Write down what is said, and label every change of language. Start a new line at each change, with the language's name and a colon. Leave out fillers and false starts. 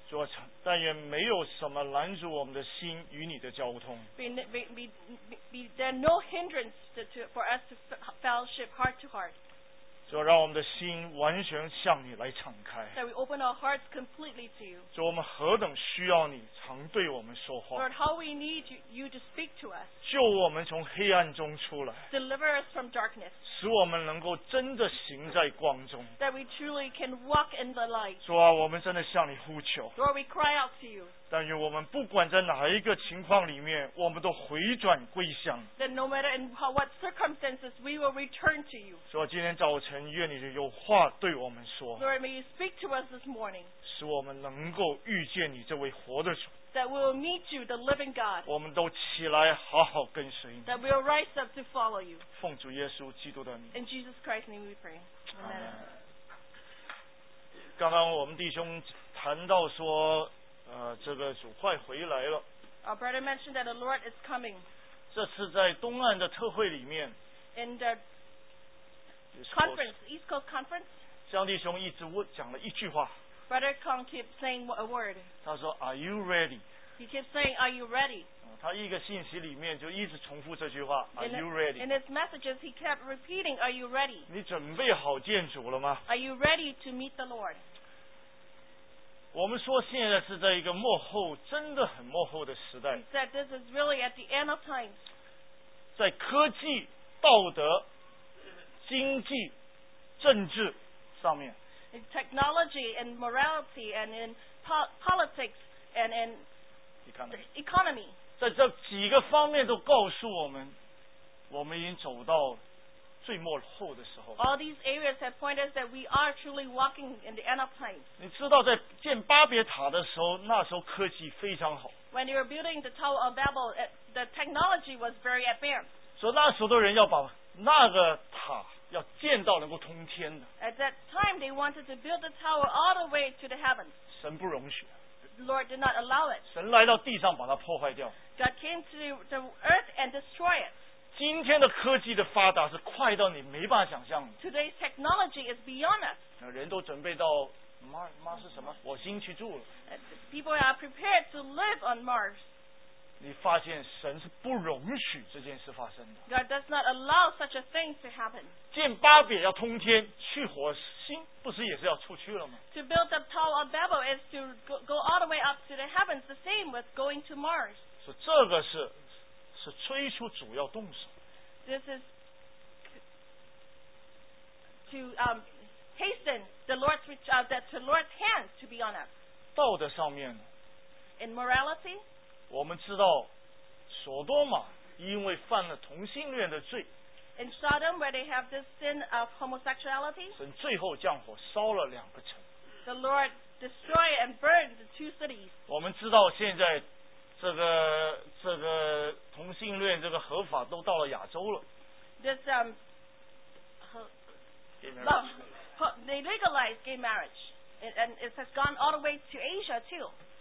Chinese: 主啊，但愿没有什么拦阻我们的心与你的交通。
English: Be there no hindrance for us to fellowship heart to heart.
Chinese: 主啊，让我们的心完全向你来敞开。
English: That we open our hearts completely to you.
Chinese: 主，我们何等需要你常对我们说话。
English: Lord, how we need you to speak to us.
Chinese: 救我们从黑暗中出来。
English: Deliver us from darkness.
Chinese: 使我们能够真的行在光中。
English: That we truly can walk in the light.
Chinese: 主啊，我们真的向你呼求。
English: Lord, we cry out to you.
Chinese: 但愿我们不管在哪一个情况里面，我们都回转归向。
English: That no matter in what circumstances, we will return to you.
Chinese: 主啊，今天早晨。愿你有话对我们说
English: Lord, may you speak to us this morning,
Chinese: 使我们能够遇见你这位活的主
English: that we will meet you, the living God,
Chinese: 我们都起来好好跟随你
English: that we will rise up to follow you,
Chinese: 奉主耶稣基督的名
English: in Jesus Christ's name we pray, Amen.
Chinese: 刚刚我们弟兄谈到说这个主快回来了
English: Our brother mentioned that the Lord is coming
Chinese: 这次在东岸的特会里面
English: in theConference, East Coast Conference.
Chinese: 江弟兄一直讲了一句话。
English: Brother Kong keep saying a word.
Chinese: 他说
English: "Are you ready?" He keep saying "Are you ready?"
Chinese: 他一个信息里面就一直重复这句话
English: "Are you ready?" In his messages, he kept repeating "Are you ready?"
Chinese: 你准备好见主了吗
English: ？Are you ready to meet the Lord?
Chinese: 我们说现在是在一个末后，真的很末后的时代。
English: He said this is really at the end of times.
Chinese: 在科技、道德。经济、政治上面
English: in technology and morality and in politics and in economy
Chinese: 在这几个方面都告诉我们我们已经走到最末后的时候
English: all these areas have pointed us that we are truly walking in the end of time
Chinese: 你知道在建巴别塔的时候那时候科技非常好
English: when you were building the Tower of Babel the technology was very advanced
Chinese: 所以那时候的人要把那个塔要建造能够通天的。
English: At that time, they wanted to build the tower all the way to the heavens.
Chinese: 神不容许。
English: Lord did not allow it.
Chinese: 神来到地上把它破坏掉。
English: God came to the earth and destroyed it.
Chinese: 今天的科技的发达是快到你没办法想象的。
English: Today's technology is beyond us.
Chinese: 人都准备到 Mars 是什么？火星去住了。
English: People are prepared to live on Mars.
Chinese: 你发现神是不容许这件事发生的。
English: God does not allow such a thing to happen.
Chinese: 建巴别要通天，去火星不是也是要出去了吗
English: ？To build the Tower of Babel is to go all the way up to the heavens. The same with going to Mars.
Chinese: 所以这个是催促主要动手。
English: This is to hasten the Lord's Lord's hand to be on us.
Chinese: 道德上面
English: ，in morality.
Chinese: 我们知道索多玛因为犯了同性恋的罪
English: In Sodom where they have this sin of homosexuality
Chinese: 神最后降火烧了两个城
English: The Lord destroyed and burned the two cities
Chinese: 我们知道现在这个同性恋这个合法都到了亚洲了
English: This they legalized gay marriage and it has gone all the way to Asia too